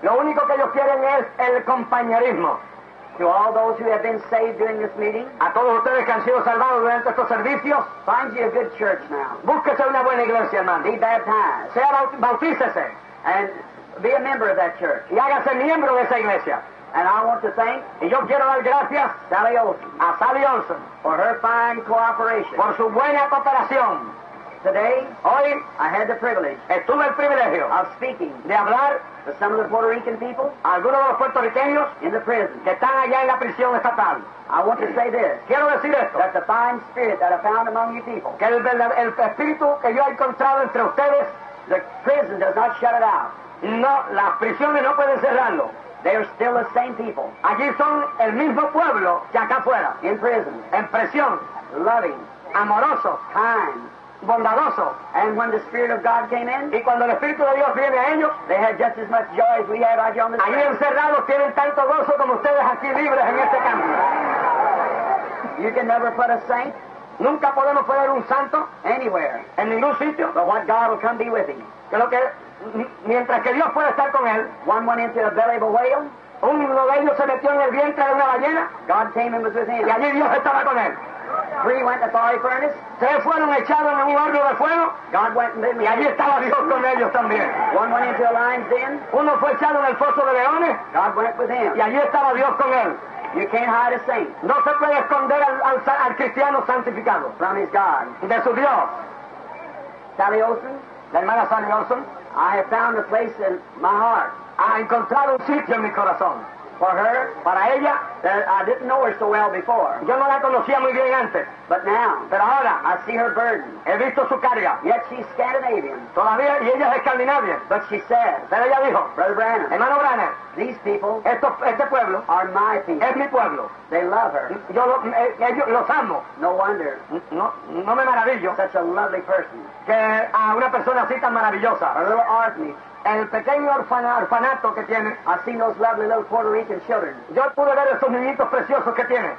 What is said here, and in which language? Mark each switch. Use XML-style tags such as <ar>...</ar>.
<es>Lo único que ellos quieren es el compañerismo.</es> <en>To all those who have been saved during this meeting,</en> <es>a todos ustedes que han sido salvados durante estos servicios,</es> <en>find you a good church now.</en> <es>Búsquese una buena iglesia, hermano.</es> <en>Be baptized.</en> <es>Sea bautícese.</es> <en>And be a member of that church.</en> <es>Y hágase miembro de esa iglesia.</es> <en>And I want to thank,</en> <es>y yo quiero dar gracias, Sally Olson, a Sally Olson,</es> <en>for her fine cooperation,</en> <es>por su buena cooperación.</es> <en>Today,</en> <es>hoy,</es> <en>I had the privilege,</en> <es>estuve el privilegio,</es> <en>of speaking,</en> <es>de hablar,</es> <en>to some of the Puerto Rican people,</en> <es>algunos de los puertorriqueños,</es> <en>in the prison,</en> <es>que están allá en la prisión estatal.</es> <en>I want to say this,</en> <es>quiero decir esto,</es> <en>that the fine spirit that I found among you people,</en> <es>que el espíritu que yo he encontrado entre ustedes,</es> <en>the prison does not shut it out.</en> <es>No, las prisiones no pueden cerrarlo.</es> <en>They are still the same people.</en> <es>Allí son el mismo pueblo que acá afuera.</es> <en>In prison.</en> <es>En prisión.</es> <en>Loving.</en> <es>Amoroso.</es> <en>Kind.</en> <es>Bondadoso.</es> <en>And when the Spirit of God came in,</en> <es>y cuando el Espíritu de Dios viene a ellos,</es> <en>they had just as much joy as we had out here on the street.</en> <es>Allí encerrados tienen tanto gozo como ustedes aquí libres en este campo.</es> <en>You can never put a saint.</en> <es>Nunca podemos poner un santo.</es> <en>Anywhere.</en> <es>En ningún sitio.</es> <en>But what God will come be with him.</en> <es>Que lo que mientras que Dios pueda estar con él,</es> <en>one went into the belly of a whale,</en> <es>uno de ellos se metió en el vientre de una ballena,</es> <en>God came and was with him.</en> <es>Y allí Dios estaba con él. Gloria.</es> <en>three went to the fiery furnace.</en> <es>Tres fueron echados en un horno de fuego.</es> <en>God went and</en> <es>y allí estaba Dios con ellos también.</es> <en>One went into a lion's den.</en> <es>Uno fue echado en el foso de leones.</es> <en>God went with him.</en> <es>Y allí estaba Dios con él.</es> <en>You can't hide a saint.</en> <es>No se puede esconder al cristiano santificado.</es> <en>From his God.</en> <es>De su Dios.</es> <en>Sally Olson.</en> <es>La hermana Sally Olson.</es> <en>I have found a place in my heart.</en> <es>Ha encontrado un sitio en mi corazón.</es> <en>For her,</en> <es>para ella,</es> <en>that I didn't know her so well before.</en> <es>Yo no la conocía muy bien antes.</es> <en>But now,</en> <es>pero ahora,</es> <en>I see her burden.</en> <es>He visto su carga.</es> <en>Yet she's Scandinavian.</en> <es>Todavía, y ella es escandinavia.</es> <en>But she says,</en> <es>pero ella dijo,</es> <en>Brother Branham,</en> <es>hermano Branham,</es> <en>these people,</en> <es>este pueblo,</es> <en>are my people.</en> <es>Es mi pueblo.</es> <en>They love her.</en> <es>Ellos los amo.</es> <en>No wonder.</en> <es>No me maravillo.</es> <en>Such a lovely person.</en> <es>Que a una persona así tan maravillosa.</es> <en>A little orphanage.</en> <es>El pequeño orfanato que tiene.</es> <en>I see those lovely little Puerto Rican children.</en> <es>Yo pude ver esos niñitos preciosos que tiene.</es>